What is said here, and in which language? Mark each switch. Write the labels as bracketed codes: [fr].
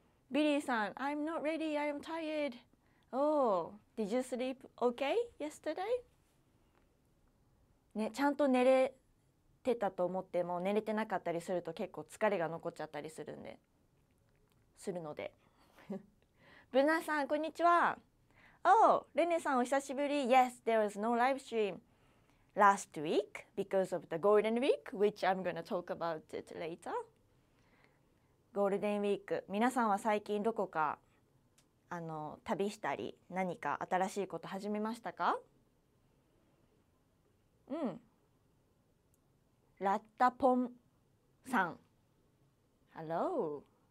[en] ビリーさん、I'm not ready, I'm tired. Oh, did you sleep okay yesterday? [ja] ね、ちゃんと寝れてたと思っても、寝れてなかったりすると結構疲れが残っちゃったりするんで。するので、ブナさんこんにちは。 Oh, レネさんお久しぶり。 [en] Yes, there was no live stream last week because of the Golden Week, which I'm gonna talk about it later. [ja] ゴールデンウィーク、皆さんは最近どこか旅したり何か新しいこと始めましたか？うん。ラッタポンさん、Hello。